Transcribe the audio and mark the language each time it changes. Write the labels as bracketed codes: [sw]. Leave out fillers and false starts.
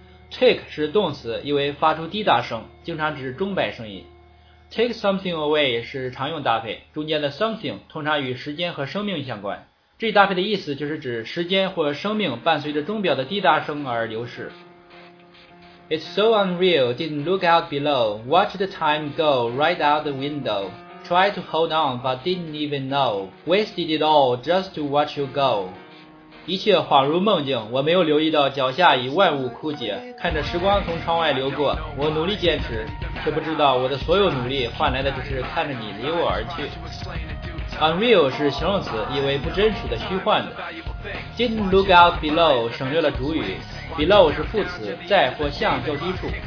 [zh] Take 是动词，意为发出滴答声，经常指钟摆声音。 [en] Take something away [zh] 是常用搭配，中间的 something 通常与时间和生命相关，这搭配的意思就是指时间或生命伴随着钟表的滴答声而流逝。 [en] It's so unreal, didn't look out below, watch the time go right out the window, try to hold on but didn't even know, wasted it all just to watch you go. [zh] 一切恍如梦境，我没有留意到脚下已万物枯竭，看着时光从窗外流过，我努力坚持，却不知道我的所有努力换来的只是看着你离我而去。 Unreal 是形容词，意为不真实的、虚幻的。 [en] Didn't look out below [zh] 省略了主语， below 是副词，在或向较低处。